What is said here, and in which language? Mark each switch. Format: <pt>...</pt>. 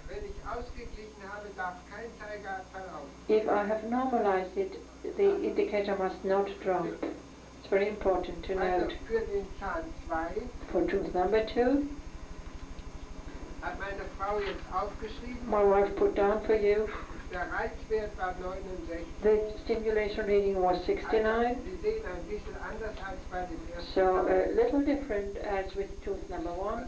<de>Wenn ich ausgeglichen habe, darf kein Zeiger verlaufen.</de> <en>If I have normalized it, the indicator must not drop. It's very important to note.</en> <de>Also für den Zahn 2.</de> <en>For tooth number 2.</en> <de>Hat meine Frau jetzt aufgeschrieben.</de> <en>My wife put down for you.</en> <de>Der Reizwert war 69.</de> <en>The stimulation reading was 69.</en> <de>Also, Sie sehen, ein bisschen anders als bei dem ersten.</de> <en>So, a little different as with tooth number 1.</en>